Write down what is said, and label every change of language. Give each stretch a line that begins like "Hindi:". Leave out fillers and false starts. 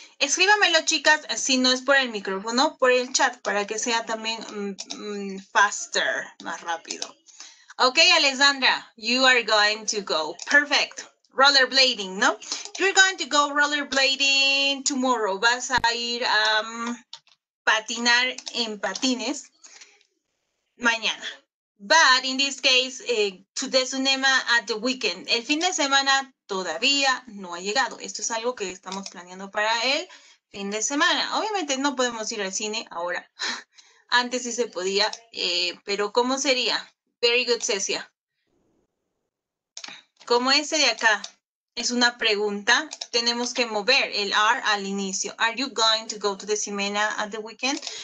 Spanish: Escríbamelo, chicas, si no es por el micrófono, por el chat, para que sea también faster, más rápido.
English: Okay, Alexandra, you are going to go. Perfect. Rollerblading, ¿no? You're going to go rollerblading tomorrow.
Spanish: Vas a ir a patinar en patines mañana.
English: But in this case, to the cinema at the weekend.
Spanish: El fin de semana todavía no ha llegado. Esto es algo que estamos planeando para el fin de semana. Obviamente no podemos ir al cine ahora. Antes sí se podía, pero ¿cómo sería?
English: Very good,
Spanish: Cecia. Como ese de acá es una pregunta, tenemos que mover el are al inicio.
English: Are you going to go to the cinema at the weekend?